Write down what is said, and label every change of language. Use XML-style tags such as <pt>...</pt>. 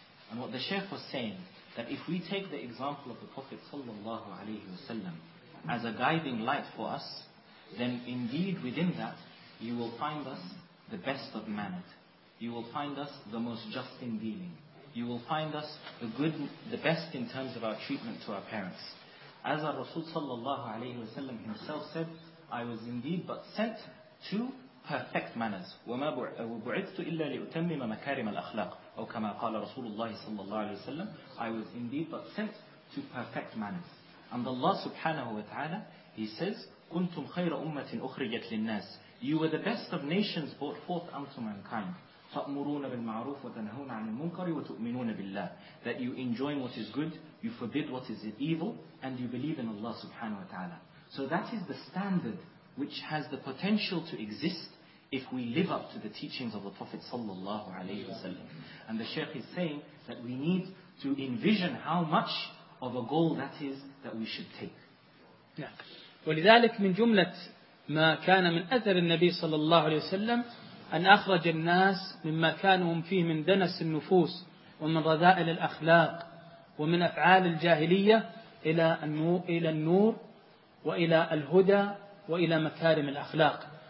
<en>And what the Shaykh was saying, that if we take the example of the Prophet sallallahu alayhi wa sallam as a guiding light for us, then indeed within that, you will find us the best of manners. You will find us the most just in dealing. You will find us the best in terms of our treatment to our parents. As our Rasul sallallahu alayhi wa sallam himself said, I was indeed but sent to perfect manners.</en> <ar>وَمَا بُعِثْتُ إِلَّا لِأُتَمِّمَ مَكَارِمَ الْأَخْلَاقِ أو كما قال رسول الله صلى الله عليه وسلم,</ar> <en>I was indeed but sent to perfect manners. And Allah subhanahu wa ta'ala, He says,</en> <ar>كنتم خير أمة أخرجت للناس.</ar> <en>You were the best of nations brought forth unto mankind.</en> <ar>تأمرون بالمعروف وتنهون عن المنكر وتؤمنون بالله.</ar> <en>That you enjoin what is good, you forbid what is evil, and you believe in Allah subhanahu wa ta'ala. So that is the standard which has the potential to exist if we live up to the teachings of the Prophet sallallahu alayhi wa sallam. And the Shaykh is saying that we need to envision how much of a goal that is that we should take. Yeah.</en> <ar>ولذلك من جملة ما كان من أثر النبي صلى الله عليه وسلم أن أخرج الناس مما كانوا فيه من دنس النفوس ومن رذائل الأخلاق ومن أفعال الجاهلية إلى النور وإلى الهدى وإلى مكارم الأخلاق.</ar>